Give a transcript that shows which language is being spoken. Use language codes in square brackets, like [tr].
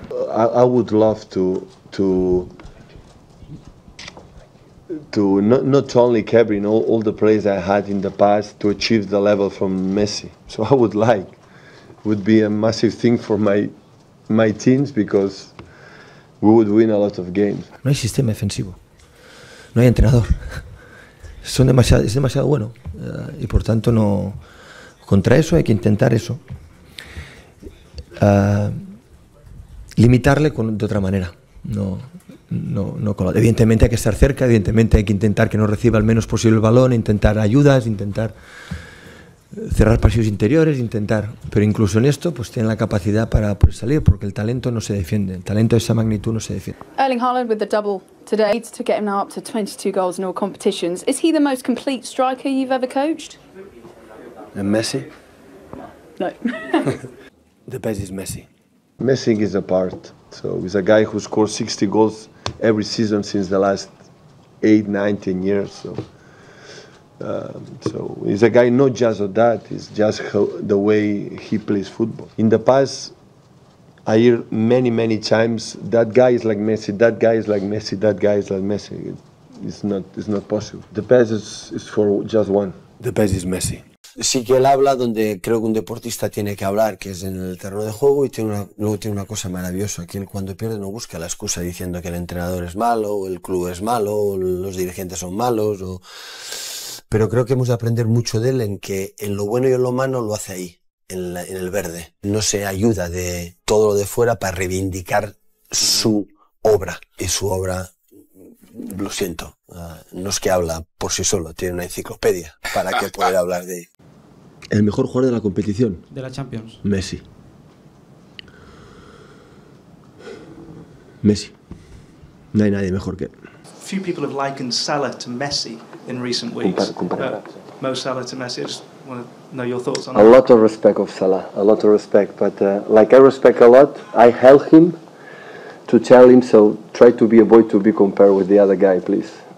[en] I would love to not only Kevin, all the players I had in the past to achieve the level from Messi. So I would like, would be a massive thing for my teams because we would win a lot of games. [es] No hay sistema defensivo. No hay entrenador. Es demasiado bueno y por tanto no contra eso hay que intentar eso limitarle de otra manera no evidentemente hay que estar cerca, evidentemente hay que intentar que no reciba el menos posible el balón, intentar ayudas, intentar cerrar pasillos interiores, intentar, pero incluso en esto pues tiene la capacidad para salir porque el talento no se defiende, el talento de esa magnitud no se defiende. [en] Erling Haaland with the double today to get him now up to 22 goals in all competitions. Is he the most complete striker you've ever coached? And Messi? No. The best is Messi. Messi is a part. So he's a guy who scores 60 goals every season since the last 8, 19 years. So he's a guy not just of that, it's just the way he plays football. In the past, I hear many, many times, that guy is like Messi, that guy is like Messi, that guy is like Messi. It's not possible. The best is for just one. The best is Messi. [es] Sí que él habla donde creo que un deportista tiene que hablar, que es en el terreno de juego, y luego tiene una cosa maravillosa, que él cuando pierde no busca la excusa diciendo que el entrenador es malo, o el club es malo, o los dirigentes son malos, o... Pero creo que hemos de aprender mucho de él en que en lo bueno y en lo malo lo hace ahí, en el verde. No se ayuda de todo lo de fuera para reivindicar su obra. Y su obra, lo siento, no es que habla por sí solo, tiene una enciclopedia para que poder hablar de ella. El mejor jugador de la competición. De la Champions. Messi. Messi. No hay nadie mejor que él. [en] Few people have likened Salah to Messi in recent weeks. Mo Salah to Messi. I just want to know your thoughts on that. A lot of respect of Salah. A lot of respect. But like I respect a lot, I help him to tell him, so try to be a boy to be compared with the other guy, please.